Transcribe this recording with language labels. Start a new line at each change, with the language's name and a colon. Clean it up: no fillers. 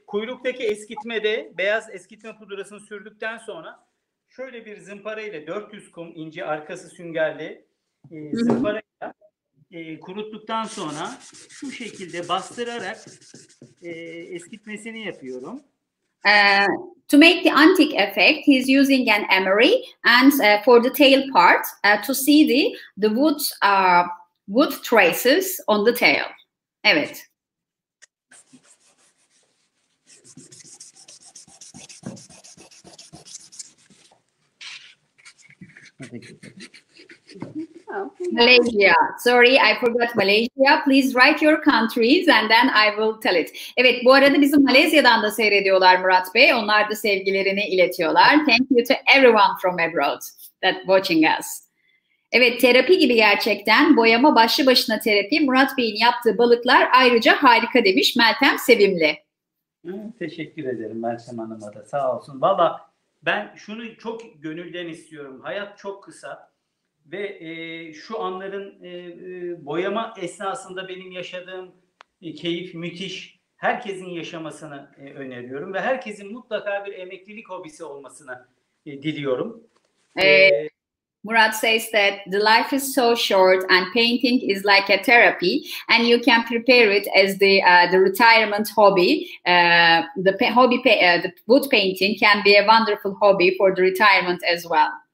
Turkish: Kuyruktaki eskitmede beyaz eskitme pudrasını sürdükten sonra şöyle bir zımpara ile 400 kum ince arkası süngerli zımpara ile kuruttuktan sonra şu şekilde bastırarak eskitmesini yapıyorum.
English: To make the antique effect, he's using an emery and for the tail part to see the wood traces on the tail.
Turkish: Evet.
English: Malaysia. Sorry, I forgot Malaysia. Please write your countries and then I will tell it.
Turkish: Evet, bu arada bizim Malezya'dan da seyrediyorlar Murat Bey. Onlar da sevgilerini iletiyorlar.
English: Thank you to everyone from abroad that watching us.
Turkish: Evet, terapi gibi gerçekten. Boyama başlı başına terapi. Murat Bey'in yaptığı balıklar ayrıca harika demiş Meltem Sevimli. Teşekkür ederim Meltem Hanım'a da. Sağ olsun. Valla ben şunu çok gönülden istiyorum. Hayat çok kısa ve şu anların boyama esnasında benim yaşadığım keyif müthiş. Herkesin yaşamasını öneriyorum ve herkesin mutlaka bir emeklilik hobisi olmasını diliyorum.
English: Murat says that the life is so short and painting is like a therapy and you can prepare it as the retirement hobby. The wood painting can be a wonderful hobby for the retirement as well.